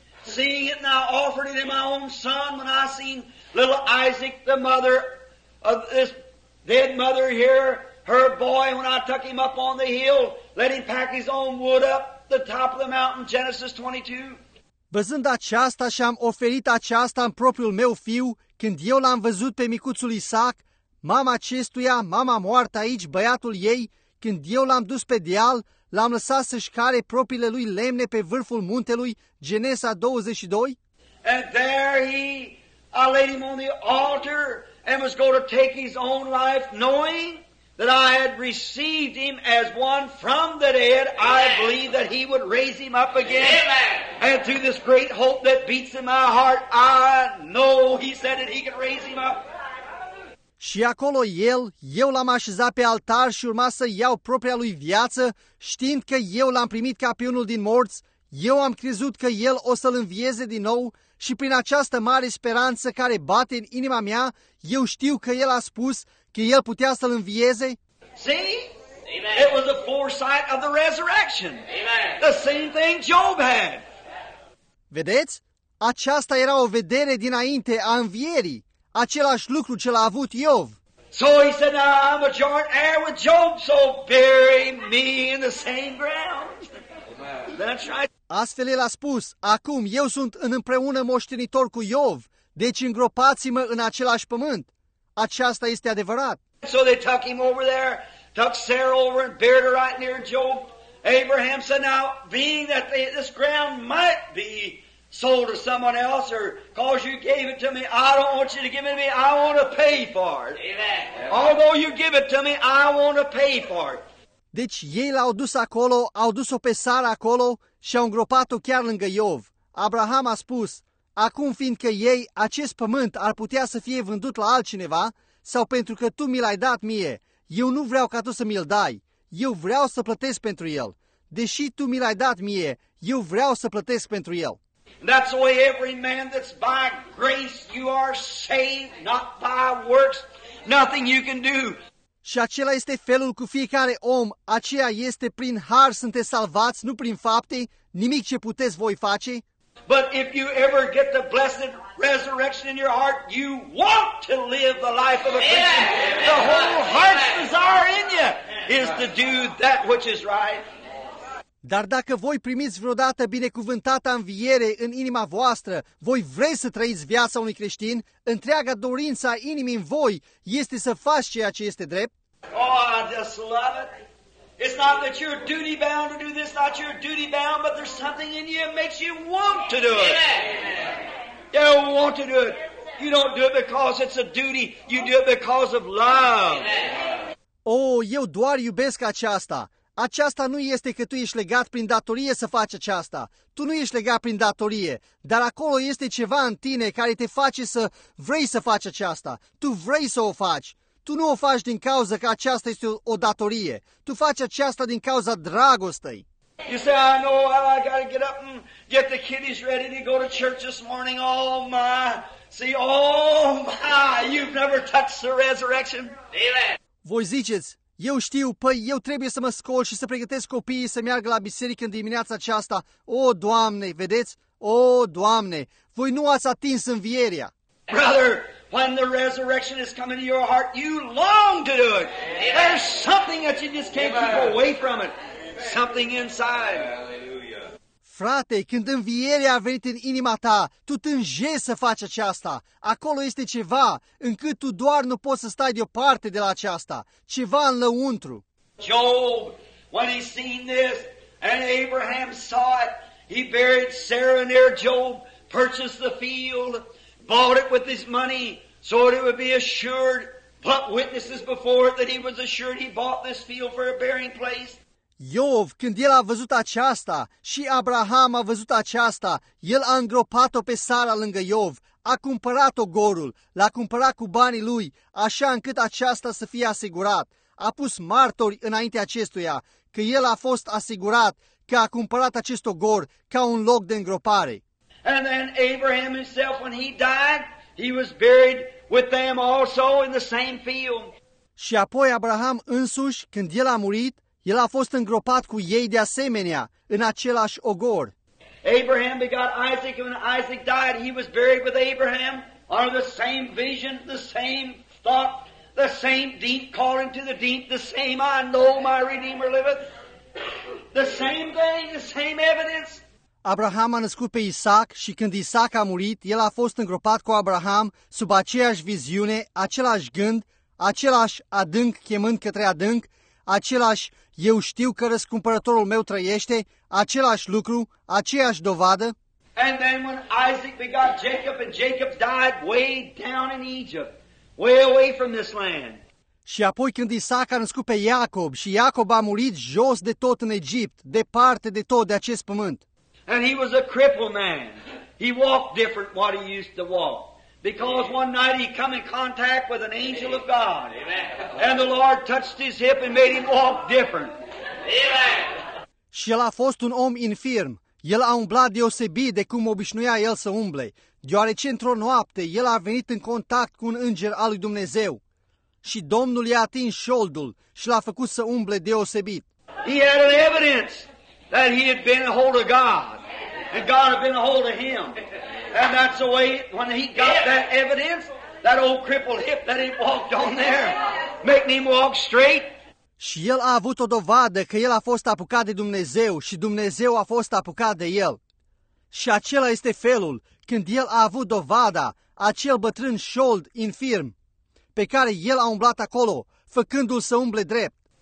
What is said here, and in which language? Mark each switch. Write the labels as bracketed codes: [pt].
[en] Seeing it now offered it in my own son, when I seen little Isaac, the mother of this dead mother here, her boy, when I took him up on the hill, let him pack his own wood up the top of the mountain, Genesis 22. [ro] Văzând aceasta și-am oferit aceasta în propriul meu fiu, când eu l-am văzut pe micuțul Isaac, mama acestuia, mama moartă aici, băiatul ei, când eu l-am dus pe deal, l-am lăsat să-și care propriile lui lemne pe vârful muntelui, Genesa 22. [en] And there I laid him on the altar and was going to take his own life, knowing that I had received him as one from the dead. Amen. I believe that he would raise him up again. Amen. And through this great hope that beats in my heart, I know he said that he could raise him up. [ro] Și acolo eu l-am așezat pe altar și urma să iau propria lui viață, știind că eu l-am primit ca pe unul din morți, eu am crezut că el o să-l învieze din nou și prin această mare speranță care bate în inima mea, eu știu că el a spus că el putea să-l învieze. [en] See? Amen. It was a foresight of the resurrection. Amen. The same thing Job had. [ro] Vedeți? Aceasta era o vedere dinainte a învierii. Același lucru ce l-a avut Iov. [en] So he said, now I'm a joint heir with Job, so bury me in the same ground. That's right. [ro] Astfel el a spus, acum eu sunt în împreună moștenitor cu Iov, deci îngropați-mă în același pământ. Aceasta este adevărat. [en] So they took him over there, took Sarah over and buried her right near Job. Abraham said, now being that this ground might be sold to someone else or because you gave it to me, I don't want you to give it to me. I want to pay for it. Amen. Although you give it to me, I want to pay for it. [ro] Deci ei l-au dus acolo, au dus-o pe Sara acolo și au îngropat-o chiar lângă Iov. Abraham a spus, acum fiindcă ei, acest pământ ar putea să fie vândut la altcineva sau pentru că tu mi l-ai dat mie, eu nu vreau ca tu să mi-l dai, eu vreau să plătesc pentru el. Deși tu mi l-ai dat mie, eu vreau să plătesc pentru el. [en] That's the way every man that's by grace you are saved, not by works, nothing you can do. [ro] Și acela este felul cu fiecare om, aceea este prin har sunteți salvați, nu prin fapte, nimic ce puteți voi face. [en] But if you ever get the blessed resurrection in your heart, you want to live the life of a Christian. Amen. The whole heart's desire in you is to do that which is right. [ro] Dar dacă voi primiți vreodată binecuvântata înviere în inima voastră, voi vreți să trăiți viața unui creștin, întreaga dorință a inimii în voi este să faci ceea ce este drept? [en] Oh, I just love it. It's not that you're duty bound to do this, not you're duty bound, but there's something in you that makes you want to do it. Amen. You don't want to do it. You don't do it because it's a duty, you do it because of love. Amen. [ro] Oh, eu doar iubesc aceasta. Aceasta nu este că tu ești legat prin datorie să faci aceasta. Tu nu ești legat prin datorie, dar acolo este ceva în tine care te face să vrei să faci aceasta. Tu vrei să o faci. Tu nu o faci din cauza că aceasta este o datorie. Tu faci aceasta din cauza dragostei. [en] You say, I know I gotta get up and get the kiddies ready to go to church this morning. Oh my, see, oh my, you've never touched the resurrection. Amen. [ro] Voi ziceți, eu știu, păi eu trebuie să mă scol și să pregătesc copiii să meargă la biserică în dimineața aceasta. O, Doamne, vedeți? O, Doamne, voi nu ați atins învierea. [en] Brother, when the resurrection is coming to your heart, you long to do it. Amen. There's something that you just can't keep away from it. Something inside. [ro] Frate, când învierea a venit în inima ta, tu tânjești să faci aceasta. Acolo este ceva încât tu doar nu poți să stai deoparte de la aceasta. Ceva în lăuntru. [en] Job, when he seen this, and Abraham saw it, he buried Sarah near Job, purchased the field, bought it with his money, so it would be assured, put witnesses before it that he was assured he bought this field for a burying place. [ro] Iov, când el a văzut aceasta și Abraham a văzut aceasta, el a îngropat-o pe Sara lângă Iov, a cumpărat ogorul, l-a cumpărat cu banii lui, așa încât aceasta să fie asigurat. A pus martori înaintea acestuia că el a fost asigurat că a cumpărat acest ogor ca un loc de îngropare. [en] And then Abraham himself, when he died, he was buried with them also in the same field. [ro] Și apoi Abraham însuși, când el a murit, el a fost îngropat cu ei de asemenea, în același ogor. [en] Abraham begot Isaac, and when Isaac died, he was buried with Abraham, under the same vision, the same thought, the same deep calling to the deep, the same I know my Redeemer liveth, the same thing, the same evidence. [ro] Abraham a născut pe Isaac și când Isaac a murit, el a fost îngropat cu Abraham sub aceeași viziune, același gând, același adânc chemând către adânc, același eu știu că răscumpărătorul meu trăiește, același lucru, aceeași dovadă. [en] And then when Isaac begot Jacob and Jacob died way down in Egypt, way away from this land. [ro] Și apoi când Isaac a născut pe Iacob și Iacob a murit jos de tot în Egipt, departe de tot de acest pământ. [en] And he was a crippled man. He walked different what he used to walk. Because one night he come in contact with an angel of God. Amen. And the Lord touched his hip and made him walk different. Amen. [ro] Și el a fost un om infirm. El a umblat deosebit de cum obișnuia el să umble. Deoarece într-o noapte el a venit în contact cu un înger al lui Dumnezeu. Și Domnul i-a atins șoldul și l-a făcut să umble deosebit. [en] He had an evidence that he had been a hold of God. And God had been a hold of him. And that's the way, when he got that evidence, that old crippled hip that he walked on there, making him walk straight. [ro] Și el a avut o dovadă că el a fost apucat de Dumnezeu și Dumnezeu a fost apucat de el. Și acela este felul, când el a avut dovada, acel bătrân șold infirm, pe care el a umblat acolo, făcându-l să umble drept.